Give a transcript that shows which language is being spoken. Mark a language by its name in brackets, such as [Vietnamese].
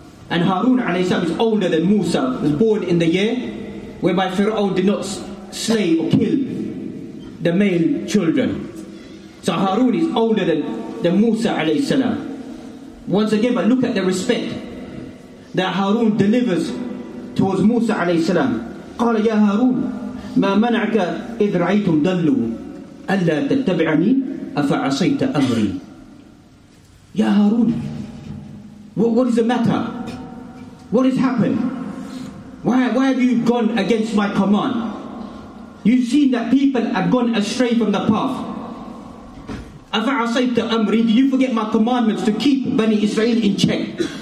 [English] And Harun alayhi salam is older than Musa, was born in the year whereby Fir'aun did not slay or kill the male children. So Harun is older than Musa alayhi salam. Once again, but look at the respect that Harun delivers towards Musa alayhi salam. [Arabic] قال يا هارون ما منعك إذ رأيتم ضلوا ألا تتبعني أفعصيت أمري. يا هارون, [English] what is the matter? What has happened? Why have you gone against my command? You've seen that people have gone astray from the path. [Arabic] أَفَعَصَيْتَ أَمْرِي. [English] Did you forget my commandments to keep Bani Israel in check?